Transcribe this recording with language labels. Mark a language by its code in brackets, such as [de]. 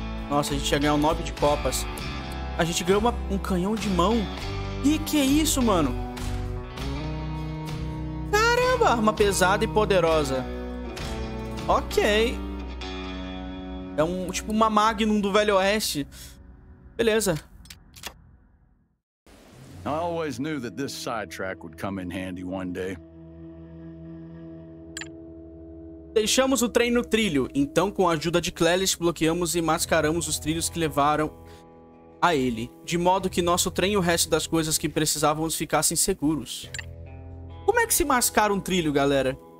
[pt] Nossa, a gente ia ganhar um nobre de copas. A gente ganhou um canhão de mão. Que é isso, mano? Caramba, arma pesada e poderosa. Ok. É um tipo uma Magnum do Velho Oeste. Beleza. [en] I always knew that this sidetrack would come in handy one day. [pt] Deixamos o trem no trilho. Então, com a ajuda de Clelis, bloqueamos e mascaramos os trilhos que levaram a ele. De modo que nosso trem e o resto das coisas que precisávamos ficassem seguros. Como é que se mascara um trilho, galera?